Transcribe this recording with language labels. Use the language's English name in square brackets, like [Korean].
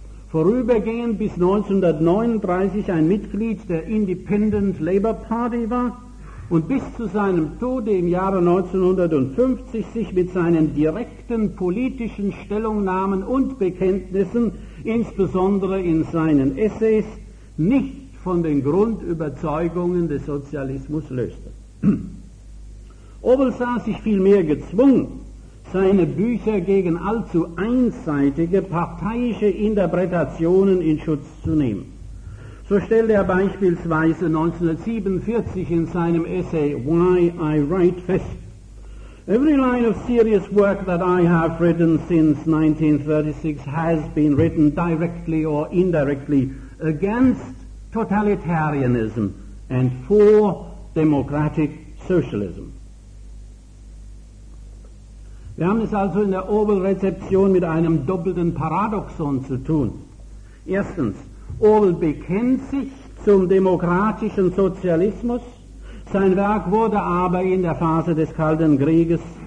[German] Vorübergehend bis 1939 ein Mitglied der Independent Labour Party war und bis zu seinem Tode im Jahre 1950 sich mit seinen direkten politischen Stellungnahmen und Bekenntnissen, insbesondere in seinen Essays, nicht von den Grundüberzeugungen des Sozialismus löste. Orwell sah sich vielmehr gezwungen, seine Bücher gegen allzu einseitige parteiische Interpretationen in Schutz zu nehmen. So stellte er beispielsweise 1947 in seinem Essay Why I Write fest: [English] Every line of serious work that I have written since 1936 has been written directly or indirectly against totalitarianism and for democratic socialism. [German] Wir haben es also in der Orwell-Rezeption mit einem doppelten Paradoxon zu tun. Erstens, Orwell bekennt sich zum demokratischen Sozialismus, sein Werk wurde aber in der Phase des Kalten Krieges